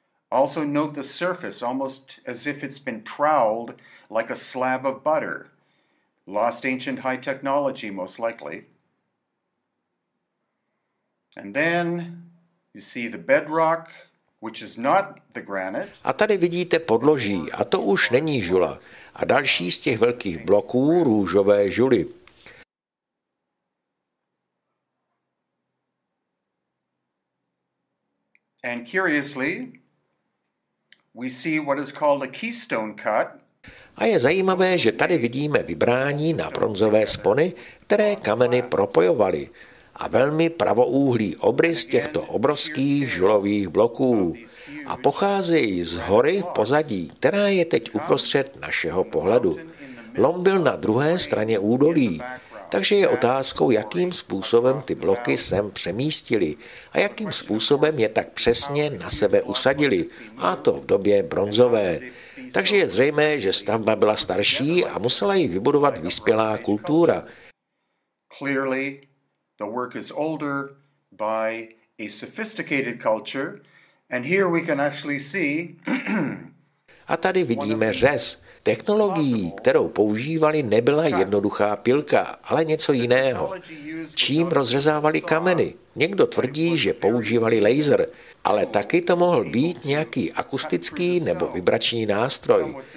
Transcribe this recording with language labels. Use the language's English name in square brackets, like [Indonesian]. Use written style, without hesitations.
[English] Also note the surface almost as if it's been troweled like a slab of butter. Lost ancient high technology most likely. And then you see the bedrock, which is not the granite. [Czech] A tady vidíte podloží, a to už není žula. A další z těch velkých bloků růžové žuly. [English] And curiously, we see what is called a keystone cut. [Czech] A je zajímavé, že tady vidíme vybrání na bronzové spony, které kameny propojovaly. A velmi pravoúhlý obrys těchto obrovských žulových bloků. A pocházejí z hory v pozadí, která je teď uprostřed našeho pohledu. Lom byl na druhé straně údolí, takže je otázkou, jakým způsobem ty bloky sem přemístili a jakým způsobem je tak přesně na sebe usadili, a to v době bronzové. Takže je zřejmé, že stavba byla starší a musela ji vybudovat vyspělá kultura. [English] Clearly, the work is older by a sophisticated culture, and here we can actually see. [Czech] A tady vidíme řez. Technologií, kterou používali, nebyla jednoduchá pilka, ale něco jiného. Čím rozřezávali kameny? Někdo tvrdí, že používali laser, ale taky to mohl být nějaký akustický nebo vibrační nástroj.